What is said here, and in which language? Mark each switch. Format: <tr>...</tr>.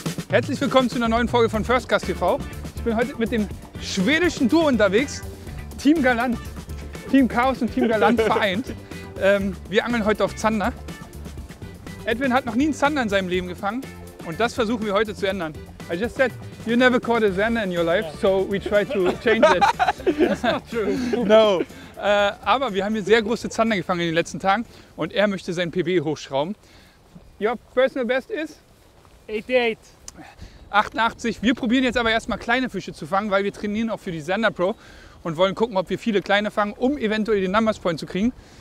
<de>Herzlich willkommen zu einer neuen Folge von Firstcast TV. Ich bin heute mit dem schwedischen Duo unterwegs, Team Galant. Team Chaos und Team Galant vereint. Wir angeln heute auf Zander. Edvin hat noch nie einen Zander in seinem Leben gefangen und das versuchen wir heute zu ändern.</de> <en>I just said, you never caught a Zander in your life, so we try to change it. That's not true. No.</en> <de>Aber wir haben hier sehr große Zander gefangen in den letzten Tagen und er möchte sein PB hochschrauben.</de> <en>Your personal best is? 88. 88.</en> <de>Wir probieren jetzt aber erstmal kleine Fische zu fangen, weil wir trainieren auch für die ZanderPro und wollen gucken, ob wir viele kleine fangen, um eventuell den Numbers Point zu kriegen.</de>